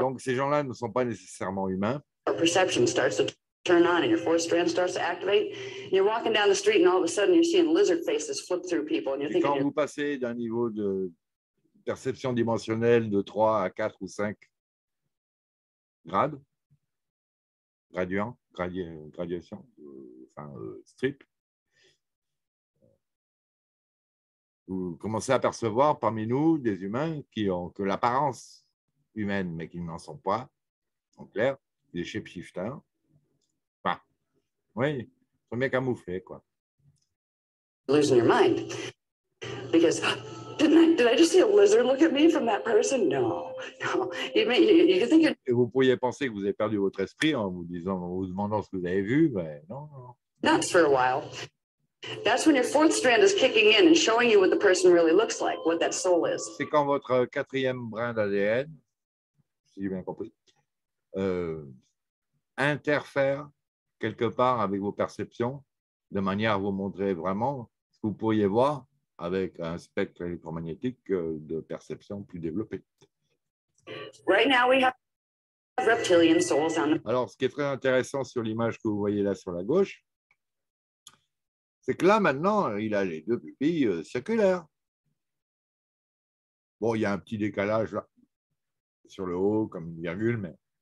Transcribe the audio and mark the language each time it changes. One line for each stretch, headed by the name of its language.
French: Donc ces gens-là ne sont pas nécessairement humains.
English: Perception starts to turn on and your fourth strand starts to activate. You're walking down the street and all of a sudden you're seeing lizard faces flip through people and you're thinking.
French: Quand vous passez d'un niveau de perception dimensionnelle de 3 à 4 ou 5 grades, graduant, graduation, strip, vous commencez à percevoir parmi nous des humains qui ont que l'apparence humaine, mais qui n'en sont pas, en clair, des shapeshifters. Oui, faut bien camoufler, quoi.
English: Losing your mind. Because did I just see a lizard look at me from that person? No. You think you're...
French: Et vous pourriez penser que vous avez perdu votre esprit en vous disant, en vous demandant ce que vous avez vu, mais non, non.
English: Not for a while. That's when your fourth strand is kicking in and showing you what the person really looks like, what that soul is.
French: C'est quand votre quatrième brin d'ADN, si j'ai bien compris, interfère quelque part avec vos perceptions, de manière à vous montrer vraiment ce que vous pourriez voir avec un spectre électromagnétique de perception plus développé.
English: Right now we have reptilian souls on the...
French: Alors, ce qui est très intéressant sur l'image que vous voyez là sur la gauche, c'est que là, maintenant, il a les deux pupilles circulaires. Bon, il y a un petit décalage là, sur le haut, comme une virgule, mais...